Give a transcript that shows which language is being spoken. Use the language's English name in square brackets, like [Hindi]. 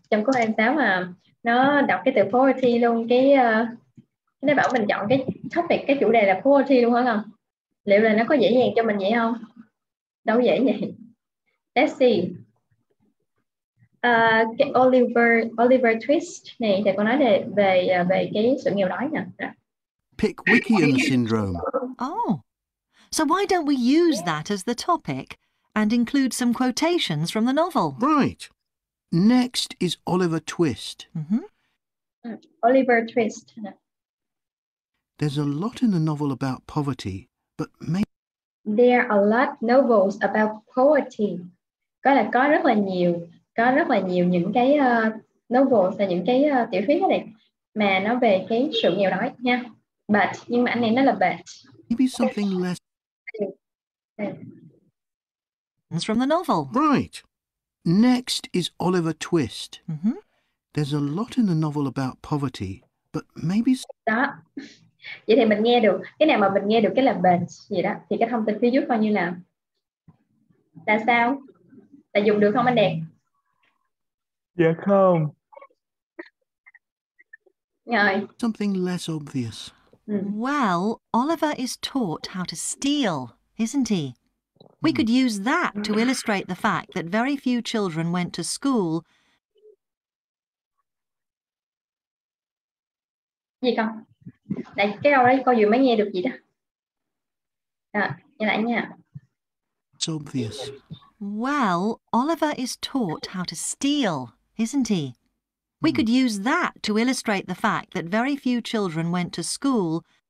[Vietnamese] Trong câu 26 mà nó đọc cái từ poetry luôn, cái nó bảo mình chọn cái topic, cái chủ đề là poetry luôn hả không? Liệu là nó có dễ dàng cho mình vậy không? Đâu dễ vậy. [English] Let's see. [Vietnamese] Cái Oliver Twist này thì có nói về cái sự nghèo đói nè. [English] Pickwickian syndrome. Oh, so why don't we use that as the topic and include some quotations from the novel? Right. Next is Oliver Twist. Mm-hmm. Oliver Twist. There's a lot in the novel about poverty, but maybe... There are a lot novels about poverty. [Vietnamese] Có là có rất là nhiều những cái novels, là những cái tiểu thuyết này mà nó về cái sự nghèo đói nha. But, nhưng mà anh này nó là but. [English] Maybe something less... It's from the novel. Right. Next is Oliver Twist. Mm-hmm. There's a lot in the novel about poverty, but maybe... [Vietnamese] Đó. Vậy thì mình nghe được. Cái nào mà mình nghe được cái là bền gì đó. Thì cái thông tin phía trước coi như là... Là sao? Là dùng được không anh đẹp? Dạ không. Rồi. [English] Something less obvious. Well, Oliver is taught how to steal, isn't he? We could use that to illustrate the fact that very few children went to school. [Vietnamese] Gì con? Đây, cái câu đấy, cô vừa mới nghe được gì đó. Đó, nghe lại nha. [English] It's obvious. Well, Oliver is taught how to steal, isn't he? We could use that to illustrate the fact that very few children went to school.